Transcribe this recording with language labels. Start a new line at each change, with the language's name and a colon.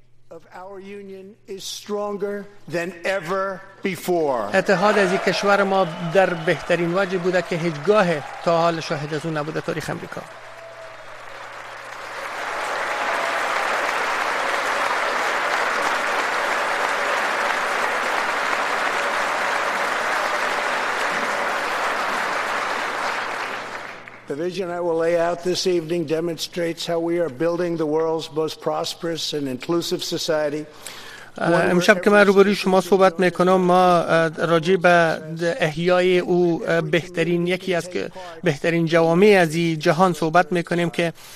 English: Of our union is stronger than ever before.
Persian: اتحاد از این کشور ما در بهترین وجه بوده که هیچگاه تا حال شاهد از اون نبوده تاریخ امریکا.
English: The vision I will lay out this evening demonstrates how we are building the world's most prosperous and inclusive society.
Persian: امشب که من روبروی شما صحبت میکنم ما راجع به احیای او بهترین یکی از بهترین جوامع از این جهان صحبت میکنیم که